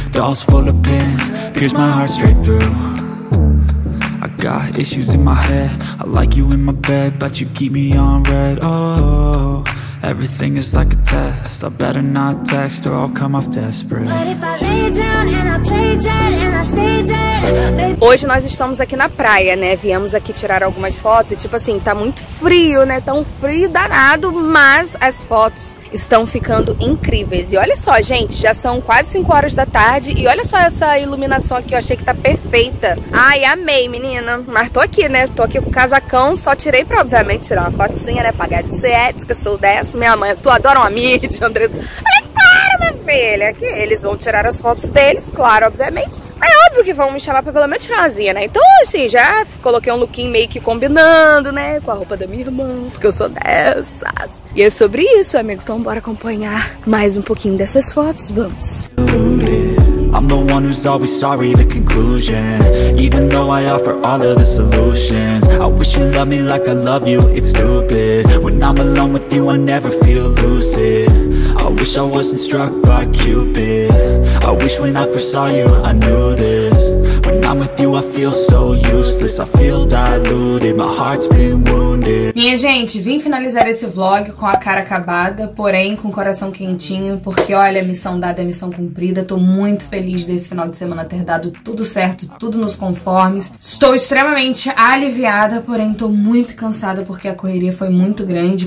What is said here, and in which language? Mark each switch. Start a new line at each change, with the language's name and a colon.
English: Dolls full of pins, pierce my heart straight through. Got issues in my head. I like you in my bed, but you keep me on red. Oh, everything is like a test. I better not text or I'll come off desperate. What if I lay down and I play dead and I stay dead, baby?
Portuguese: Hoje nós estamos aqui na praia, né? Viemos aqui tirar algumas fotos e, tipo assim, tá muito frio, né? Tão frio danado, mas as fotos estão ficando incríveis. E olha só, gente, já são quase 5 horas da tarde. E olha só essa iluminação aqui, eu achei que tá perfeita. Ai, amei, menina. Mas tô aqui, né? Tô aqui com o casacão. Só tirei pra, obviamente, tirar uma fotozinha, né? Pagar de ser ética, sou dessa. Minha mãe, tu adora uma mídia, Andreza. Para, minha filha. Aqui, eles vão tirar as fotos deles, claro, obviamente. É óbvio que vão me chamar pra pelo menos tirar uma zinha, né? Então, assim, já coloquei um lookinho meio que combinando, né? Com a roupa da minha irmã, porque eu sou dessas. E é sobre isso, amigos. Então, bora acompanhar mais um pouquinho dessas fotos. Vamos.
English: I'm the one who's always sorry, the conclusion. Even though I offer all of the solutions. I wish you loved me like I love you, it's stupid. When I'm alone with you, I never feel lucid. I wish I wasn't struck by Cupid. I wish when I first saw you, I knew this. When I'm with you, I feel so useless. I feel diluted, my heart's been wounded.
Portuguese: Minha gente, vim finalizar esse vlog com a cara acabada, porém com o coração quentinho, porque olha, missão dada é missão cumprida. Tô muito feliz desse final de semana ter dado tudo certo, tudo nos conformes. Estou extremamente aliviada, porém tô muito cansada porque a correria foi muito grande.